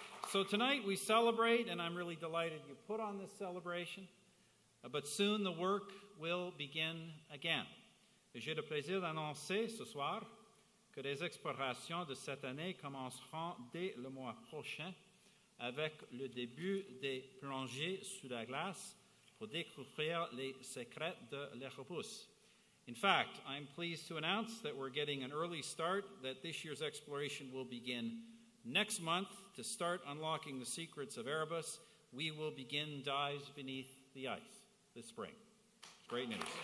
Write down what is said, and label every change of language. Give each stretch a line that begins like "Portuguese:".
English: So tonight we celebrate, and I'm really delighted you put on this celebration, but soon the work will begin again.
French: J'ai le plaisir d'annoncer ce soir que les explorations de cette année commenceront dès le mois prochain avec le début des plongées sous la glace pour découvrir les secrets de l'Erebus.
English: In fact, I'm pleased to announce that we're getting an early start, that this year's exploration will begin next month to start unlocking the secrets of Erebus. We will begin dives beneath the ice this spring. Great news.